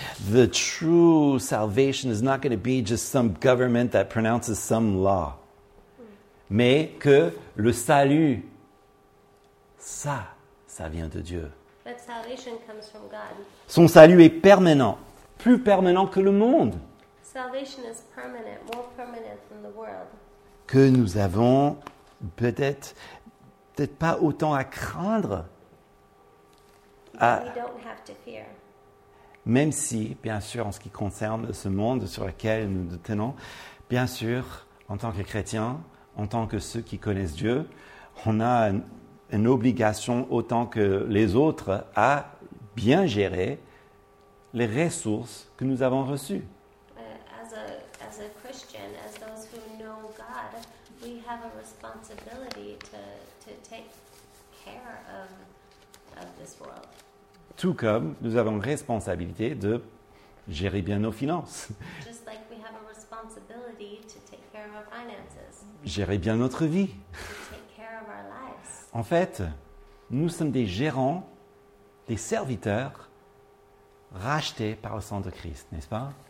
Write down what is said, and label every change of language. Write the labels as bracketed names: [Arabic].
[English] the true salvation is not going to be just some government that pronounces some law. [French] Mais que le salut, ça vient de Dieu. [English] But salvation comes from God. [French] Son salut est permanent, plus permanent que le monde. [English] Salvation is permanent, more permanent than the world. [French] Que nous avons peut-être pas autant à craindre. [English] We don't have to fear. [French] Même si, bien sûr, en ce qui concerne ce monde sur lequel nous nous tenons, bien sûr, en tant que chrétiens, en tant que ceux qui connaissent Dieu, on a une obligation autant que les autres à bien gérer les ressources que nous avons reçues. [English] As a Christian, as those who know God, we have a responsibility to take care of this world. [French] Tout comme nous avons responsabilité de gérer bien nos finances. [English] Just like we have a responsibility to take care of our finances. [French] Gérer bien notre vie. [English] To take care of our lives. [French] En fait, nous sommes des gérants, des serviteurs rachetés par le sang de Christ, n'est-ce pas?